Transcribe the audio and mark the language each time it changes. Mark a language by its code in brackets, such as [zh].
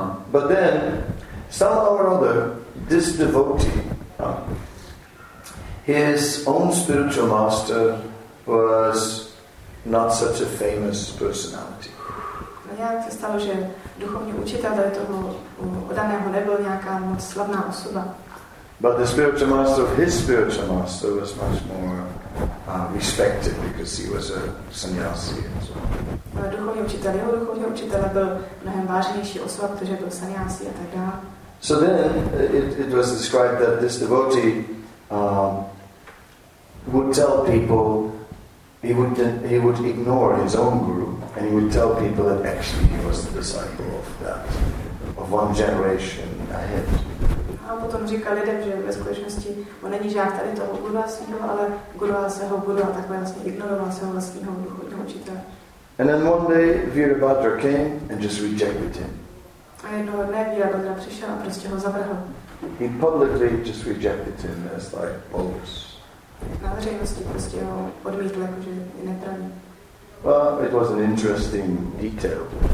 [en] But then, somehow or other, this devotee, his own spiritual master was not such a famous personality. [cs] Jak se stalo, že duchovní učitel tady toho odaného nebyl nějaká moc slavná osoba. [en] But the spiritual master of his spiritual master was much more respected because he was a sannyasi. [cs] Duchovní učitel jeho duchovního učitele byl mnohem vážnější osoba, protože byl sannyasi a tak dále. [en] So then it was described that this devotee would tell people he would ignore his own guru. And he would tell people that actually he was the disciple of that, of one generation ahead. [cs] A potom říkal lidem, že ve skutečnosti on není žák tady toho gurua svýho, ale gurua svého guru a takhle vlastně ignoroval svého vlastního duchovního učitele. [en] And then one day Virabhadra came and just rejected him. [cs] A jednoho dne Virabhadra přišel a prostě ho zavrhl. [en] He publicly just rejected him as like bogus. [cs] Na veřejnosti prostě ho odmítl, jakože je nepravý. [en] Well, it was an interesting detail.